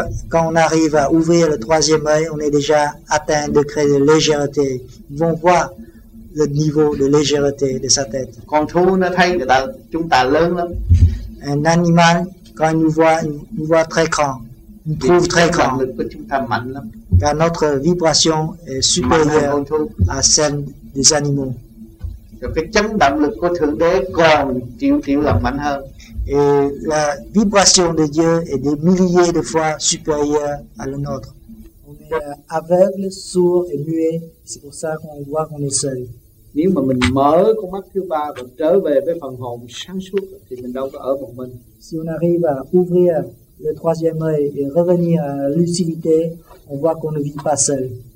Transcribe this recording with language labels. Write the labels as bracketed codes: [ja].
[fr] quand on arrive à ouvrir le troisième œil, on est déjà atteint un degré de légèreté. Ils vont voir le niveau de légèreté de sa tête. Quand [vi] thú nó thấy người ta, chúng ta lớn lắm. [fr] Un animal, quand il nous voit très grand, il nous trouve très grand. Car notre vibration est supérieure à celle des animaux. [vi] Cái chấn động lực của Thượng Đế còn triệu triệu lần mạnh hơn. [fr] Et la vibration de Dieu est des milliers de fois supérieure à la nôtre. On est aveugle, sourd et muet. C'est pour ça qu'on voit qu'on est seul. [vi] Nếu mà mình mở con mắt thứ ba và trở về với phần hồn sáng suốt thì mình đâu có ở một mình. [fr] Si on arrive à ouvrir le troisième œil et revenir à la lucidité, on voit qu'on ne vit pas seul.